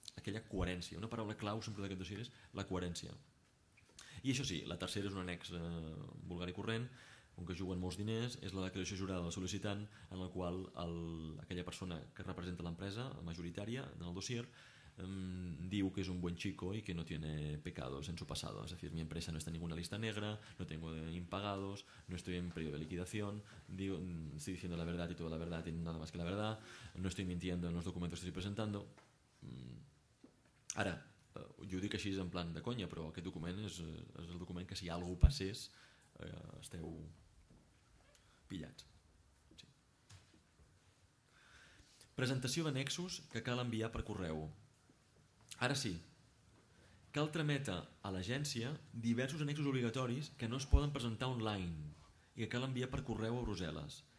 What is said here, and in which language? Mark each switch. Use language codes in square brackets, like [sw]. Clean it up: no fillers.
[ca] Aquella coherència, una paraula clau sempre d'aquest dossier és la coherència. I això sí, la tercera és un annex vulgar i corrent, com que juguen molts diners, és la declaració jurada del sol·licitant, en la qual aquella persona que representa l'empresa majoritària en el dossier diu que és [es] un buen chico [ca] i que [es] no tiene pecados en su pasado. [ca] És a dir, [es] mi empresa no està en ninguna lista negra, no tengo impagados, no estoy en periodo de liquidación, estoy diciendo la verdad y toda la verdad y nada más que la verdad, no estoy mintiendo en los documentos que estoy presentando. [ca] Ara, jo ho dic així en plan de conya, però aquest document és el document que si algú passés esteu pillats. Sí. Presentació d'annexos que cal enviar per correu. Ara sí, cal trametre a l'agència diversos annexos obligatoris que no es poden presentar online i que cal enviar per correu a Brussel·les.